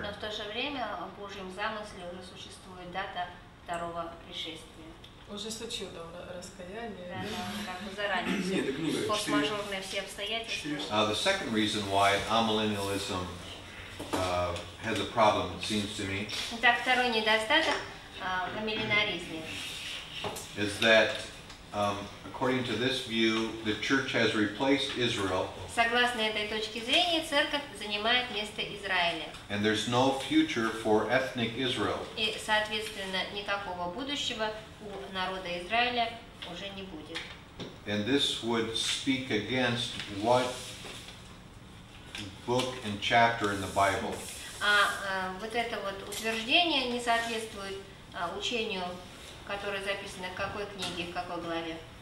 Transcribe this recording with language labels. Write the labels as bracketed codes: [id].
[ru] Но в то же время в Божьем замысле уже существует дата второго пришествия. Уже сочел, да, раскаяние. Да, как бы заранее. Постмажорные все обстоятельства. [en] The second reason why amillennialism has a problem, it seems to me. [ru] Итак, второй недостаток в амиллинаризме. [en] Is that according to this view, the church has replaced Israel. [ru] Согласно этой точке зрения, церковь занимает место Израиля. [en] And there's no future for ethnic Israel. [ru] И, соответственно, никакого будущего у народа Израиля уже не будет. [en] And this would speak against what book and chapter in the Bible? [ru] Вот это вот утверждение не соответствует учению, которое записано в какой книге, в какой главе?